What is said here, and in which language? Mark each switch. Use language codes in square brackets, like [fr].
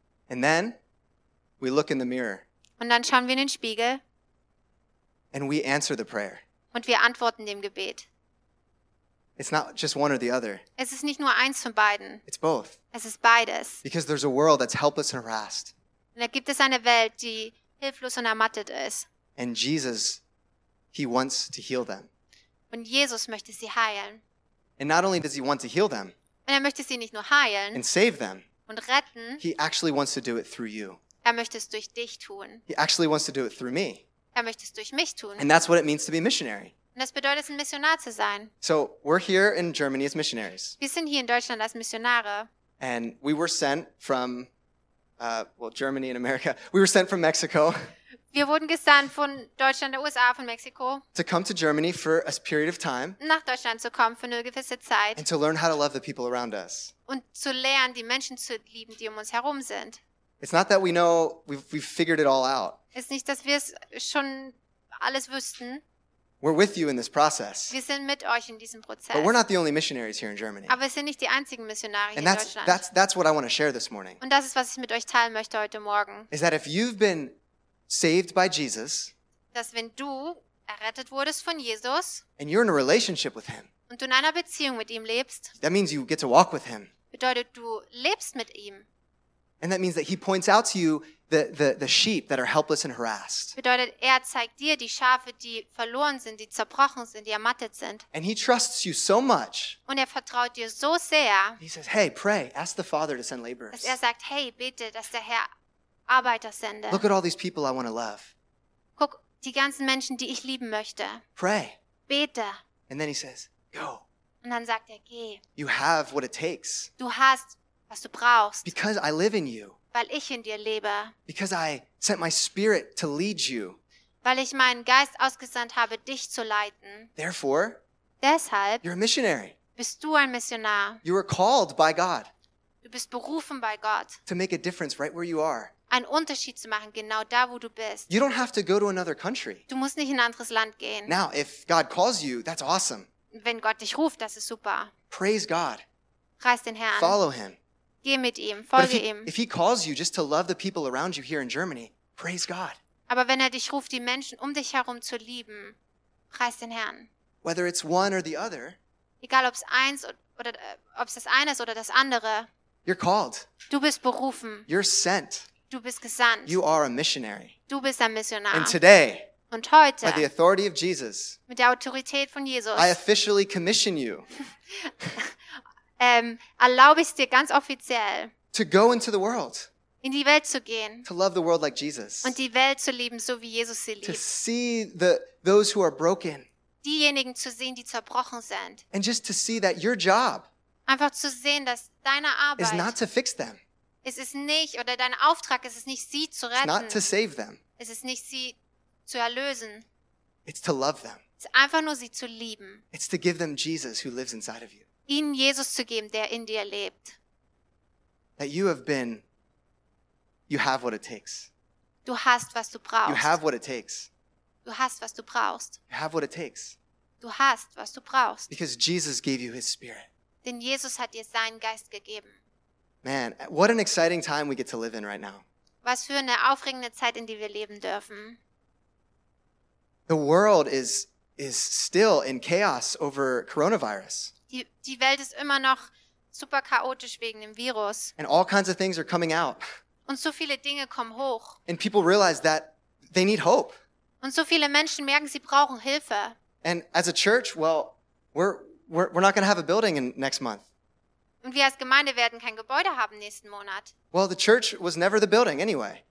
[en] And then we look in the mirror. [de] Und dann schauen wir in den Spiegel. [en] And we answer the prayer. [de] Und wir antworten dem Gebet. [en] It's not just one or the other. [de] Es ist nicht nur eins von beiden. [en] It's both. [de] Es ist beides. [en] Because there's a world that's helpless and harassed. [de] Und da gibt es eine Welt, die hilflos und ermattet ist. [en] And Jesus, he wants to heal them. [de] Und Jesus möchte sie heilen. [en] And not only does he want to heal them. [de] Und er möchte sie nicht nur heilen. [en] And save them. [de] Und retten. [en] He actually wants to do it through you. [de] Er möchte es durch dich tun. [en] He actually wants to do it through me. [de] Er möchte es durch mich tun. [en] And that's what it means to be a missionary. [de] Und das bedeutet, ein Missionar zu sein. [en] So we're here in Germany as missionaries. [de] Wir sind hier in Deutschland als Missionare. [en] And we were sent from, Germany and America. We were sent from Mexico. [de] Wir wurden gesandt von Deutschland, der USA, von Mexiko. [en] To come to Germany for a period of time. [de] Nach Deutschland zu kommen für eine gewisse Zeit. [en] And to learn how to love the people around us. [de] Und zu lernen, die Menschen zu lieben, die um uns herum sind. [en] It's not that we know, we've figured it all out. [de] Es ist nicht, dass wir es schon alles wüssten. [en] We're with you in this process. [de] Wir sind mit euch in diesem Prozess. [en] But we're not the only missionaries here in Germany. [de] Aber wir sind nicht die einzigen Missionare in Deutschland. [en] And that's what I want to share this morning. [de] Und das ist, was ich mit euch teilen möchte heute Morgen. [en] Is that if you've been saved by Jesus, [de] dass wenn du errettet wurdest von Jesus, [en] and you're in a relationship with him, [de] und du in einer Beziehung mit ihm lebst, [en] that means you get to walk with him. [de] Bedeutet, du lebst mit ihm. [en] And that means that he points out to you the sheep that are helpless and harassed. [de] Bedeutet, er zeigt dir die Schafe, die verloren sind, die zerbrochen sind, die ermattet sind. [en] And he trusts you so much. [de] Und er vertraut dir so sehr. [en] He says, "Hey, pray, ask the Father to send laborers." [de] Dass er sagt, hey, bitte, dass der Herr Arbeiter sende. [en] Look at all these people I want to love. [de] Guck, die ganzen Menschen, die ich lieben möchte. [en] Pray. [de] Bete. [en] And then he says, go. [de] Und dann sagt er, geh. [en] You have what it takes. [de] Du hast, was du brauchst. [en] Because I live in you. [de] Weil ich in dir lebe. [en] Because I sent my spirit to lead you. [de] Weil ich meinen Geist ausgesandt habe, dich zu leiten. [en] Therefore, [de] deshalb, [en] you're a missionary. [de] Bist du ein Missionar? [en] You are called by God. [de] Du bist berufen bei Gott. [en] To make a difference right where you are. [de] Einen Unterschied zu machen, genau da, wo du bist. [en] You don't have to go to another country. [de] Du musst nicht in ein anderes Land gehen. [en] Now, if God calls you, that's awesome. [de] Wenn Gott dich ruft, das ist super. [en] Praise God. [de] Preis den Herrn. [en] Follow him. [de] Geh mit ihm, folge ihm. [en] If he calls you just to love the people around you here in Germany, praise God. [de] Aber wenn er dich ruft, die Menschen um dich herum zu lieben, preis den Herrn. [en] Whether it's one or the other, [de] egal ob es eins oder ob es das eine ist oder das andere, [en] you're called. [de] Du bist berufen. [en] You're sent. [de] Du bist gesandt. [en] You are a missionary. [de] Du bist ein Missionar. [en] And today, [de] und heute, [en] by the authority of Jesus, [de] mit der Autorität von Jesus, [en] I officially commission you. [de] erlaube ich es dir ganz offiziell, [en] to go into the world, [de] in die Welt zu gehen, [en] to love the world like Jesus, [de] und die Welt zu lieben, so wie Jesus sie liebt, [en] to see those who are broken, [de] diejenigen zu sehen, die zerbrochen sind, [en] and just to see that your job, [de] einfach zu sehen, dass deine Arbeit, [en] is not to fix them. [de] Es ist nicht, oder dein Auftrag ist es nicht, sie zu retten. [en] It's not to save them. [de] Es ist nicht, sie zu erlösen. [en] It's to love them. [de] Es ist einfach nur, sie zu lieben. [en] It's to give them Jesus who lives inside of you. [de] Ihnen Jesus zu geben, der in dir lebt. [en] That you have been, you have what it takes. [de] Du hast, was du brauchst. [en] You have what it takes. [de] Du hast, was du brauchst. [en] You have what it takes. [de] Du hast, was du brauchst. [en] Because Jesus gave you his spirit. [de] Denn Jesus hat dir seinen Geist gegeben. [en] Man, what an exciting time we get to live in right now. [de] Was für eine aufregende Zeit, in die wir leben dürfen. [en] The world is still in chaos over coronavirus. [de] Die Welt ist immer noch super chaotisch wegen dem Virus. [en] And all kinds of things are coming out. [de] Und so viele Dinge kommen hoch. [en] And people realize that they need hope. [de] Und so viele Menschen merken, sie brauchen Hilfe. [en] And as a church, well, we're not going to have a building in next month. [de] Und wir als Gemeinde werden kein Gebäude haben nächsten Monat. [en] Well, the church was never the building anyway.